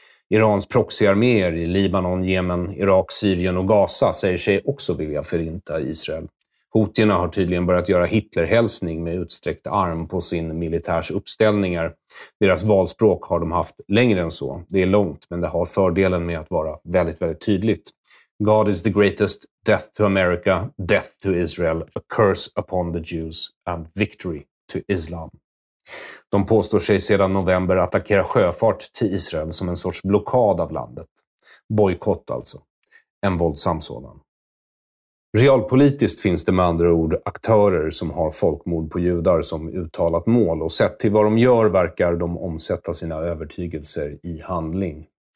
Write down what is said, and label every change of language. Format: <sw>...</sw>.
<sv>Irans proxyarméer i Libanon, Jemen, Irak, Syrien och Gaza säger sig också vilja förinta Israel. Houthierna har tydligen börjat göra Hitlerhälsning med utsträckt arm på sin militärs uppställningar. Deras valspråk har de haft längre än så. Det är långt, men det har fördelen med att vara väldigt, väldigt tydligt.</sv> <en>God is the greatest, death to America, death to Israel, a curse upon the Jews and victory to Islam.</en> <sv>De påstår sig sedan november attackera sjöfart till Israel som en sorts blockad av landet. Bojkott alltså. En våldsam sådan. Realpolitiskt finns det med andra ord aktörer som har folkmord på judar som uttalat mål, och sett till vad de gör verkar de omsätta sina övertygelser i handling.</sv>